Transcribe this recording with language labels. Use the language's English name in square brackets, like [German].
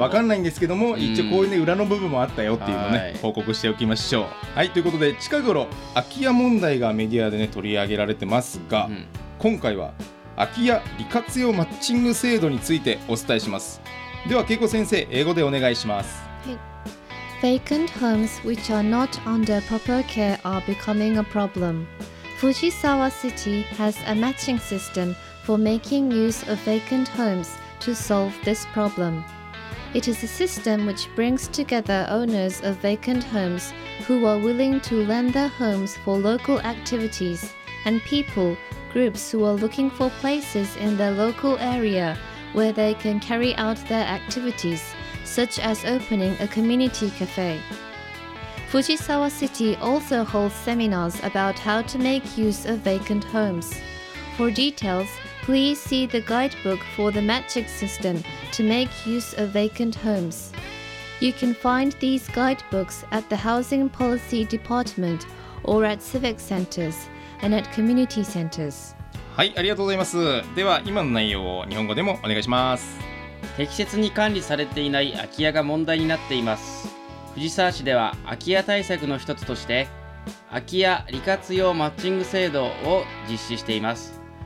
[Japanese] 分かんないんですけども、一応こういうね、裏の部分もあったよっていうのをね、報告しておきましょう。はい、ということで、近頃空き家問題がメディアでね取り上げられてますが、今回は空き家利活用マッチング制度についてお伝えします。では恵子先生、英語でお願いします。はい。 [English] Vacant homes which are not under proper care are becoming a problem. Fujisawa City has a matching systemfor making use of vacant homes to solve this problem. It is a system which brings together owners of vacant homes who are willing to lend their homes for local activities and people, groups who are looking for places in their local area where they can carry out their activities, such as opening a community cafe. Fujisawa City also holds seminars about how to make use of vacant homes. For details,Please see the guidebook for the matching system to make use of vacant homes. You can find these guidebooks at the Housing Policy Department or at Civic Centers and at Community Centers. [Japanese] はい、ありがとうございます。では今の内容を日本語でもお願いします。適切に管理されていない空き家が問題になっています。藤沢市では空き家対策の一つとして、空き家利活用マッチング制度を実施しています。